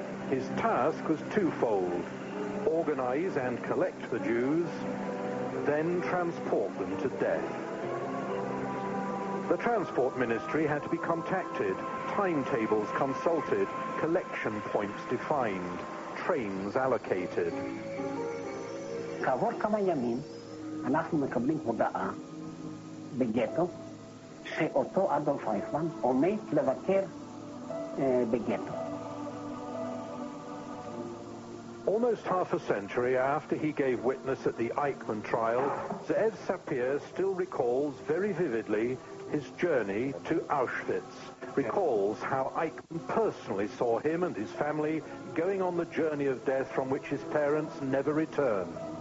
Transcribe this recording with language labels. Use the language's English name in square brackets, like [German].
[English] His task was twofold: organize and collect the Jews, then transport them to death. The transport ministry had to be contacted, timetables consulted, collection points defined, trains allocated. [Hebrew] כעבור כמה ימים אנחנו מקבלים הודעה בגטו שאותו אדולף אייכמן עומד לבקר בגטו. [English] Almost half a century after he gave witness at the Eichmann trial, Zev Sapir still recalls very vividly his journey to Auschwitz, recalls how Eichmann personally saw him and his family going on the journey of death from which his parents never returned.